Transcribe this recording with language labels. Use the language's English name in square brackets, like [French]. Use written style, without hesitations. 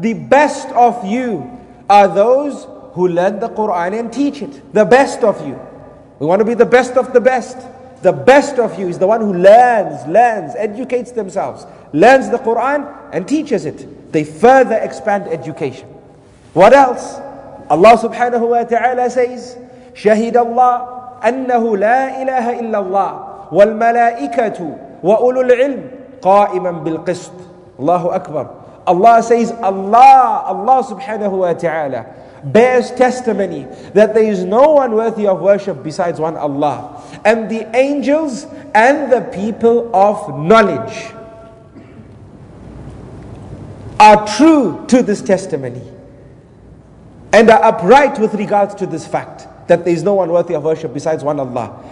[English] The best of you are those who learn the Qur'an and teach it. The best of you. We want to be the best of the best. The best of you is the one who learns, educates themselves, learns the Qur'an and teaches it. They further expand education. What else? [Arabic] Allah subhanahu wa ta'ala says, شَهِدَ اللَّهُ أنه لا إله إلا الله والملائكة وأولو العلم قائما بالقسط. الله أكبر. [English] Allah says, Allah subhanahu wa ta'ala bears testimony that there is no one worthy of worship besides one Allah, and the angels and the people of knowledge are true to this testimony and are upright with regards to this fact that there is no one worthy of worship besides one Allah.